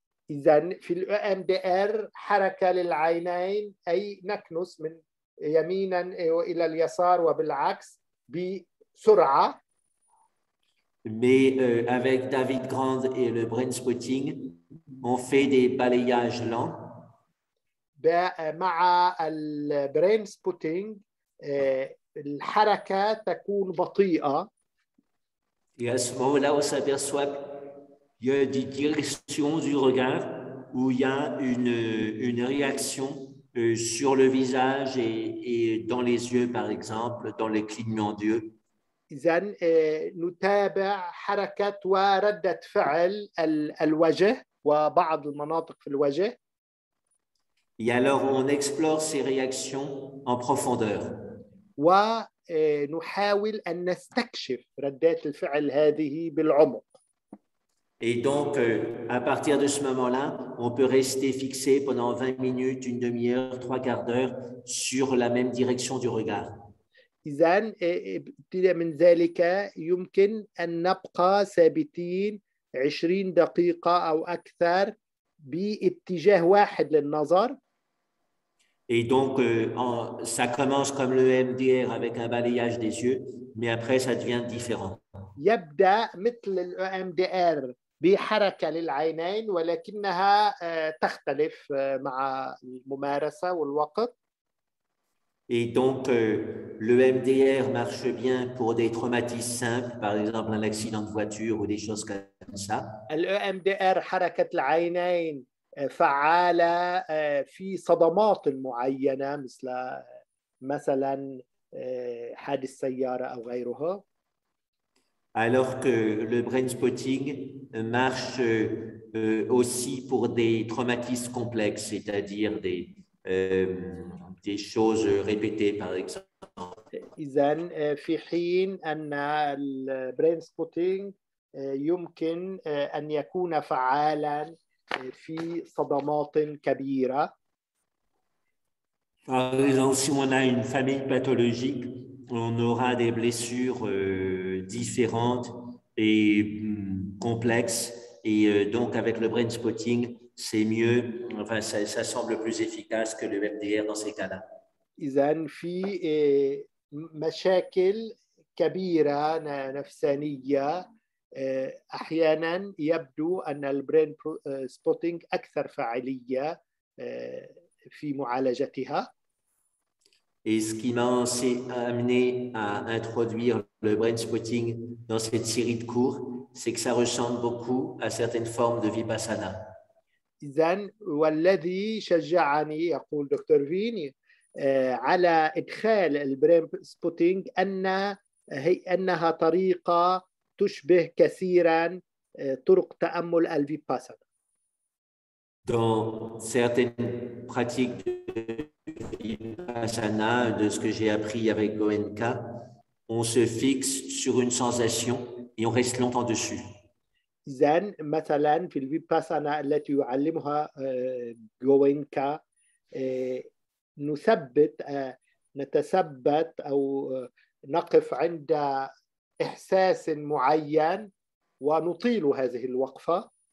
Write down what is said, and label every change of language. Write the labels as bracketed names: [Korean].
[Arabic] إذن في الـ EMDR حركة للعينين أي نكنس من يمينا إلى اليسار وبالعكس بسرعة. [French] Mais avec David Grand et le brain spotting, on fait des balayages lents. [Arabic] مع الـ brain spotting الحركة تكون بطيئة. [French] Et à ce moment-là, on s'aperçoit qu'il y a des directions du regard où il y a une réaction sur le visage et dans les yeux, par exemple, dans les clignements d'yeux. [Arabic] إذن نتابع حركة وردة فعل الوجه وبعض المناطق في الوجه. [French] Et alors, on explore ces réactions en profondeur. [Arabic] ونحاول أن نستكشف ردات الفعل هذه بالعمق. [French] Et donc, à partir de ce moment-là, on peut rester fixé pendant 20 minutes, une demi-heure, 3 quarts d'heure sur la même direction du regard. [Arabic] إذن ابتداء من ذلك يمكن أن نبقى ثابتين 20 دقيقة أو أكثر باتجاه واحد للنظر. [French] Et donc, ça commence comme le MDR avec un balayage des yeux, mais après, ça devient différent. [Arabic] يبدأ مثل الـ EMDR بحركة للعينين ولكنها تختلف مع الممارسة والوقت. [French] Et donc, le MDR marche bien pour des traumatismes simples, par exemple un accident de voiture ou des choses comme ça. [Arabic] الـ EMDR حركة العينين فعالة في صدمات معينة مثل مثلا حادث سيارة أو غيرها. [French] Alors que le brain spotting marche aussi pour des traumatismes complexes, c'est-à-dire des choses répétées, par exemple. [Arabic] إذن في حين أن brain spotting يمكن أن يكون فعالا في صدمات كبيرة. [French] Par exemple, si on a une famille pathologique, on aura des blessures différentes et complexes. Et donc, avec le brain spotting, c'est mieux, enfin, ça semble plus efficace que le MDR dans ces cas-là. [Arabic] إذن في مشاكل كبيرة نفسانية أحيانا يبدو أن البرين سبوتينج أكثر فعالية في معالجتها. [French] Et ce qui m'a amené à introduire le brain spotting dans cette série de cours, c'est que ça ressemble beaucoup à certaines formes de vipassana. [Arabic] إذن والذي شجعني يقول دكتور فيني على إدخال البرين سبوتينج أنها طريقة تشبه كثيرا طرق تأمل الفيباسانا. [French] Dans certaines pratiques de vipassana, de ce que j'ai appris avec Goenka, on se fixe sur une sensation et on reste longtemps dessus. [Arabic] إذن مثلا في الفيباسانا التي يعلمها غوينكا نثبت نتثبت أو نقف عند إحساس معين ونطيل هذه الوقفة.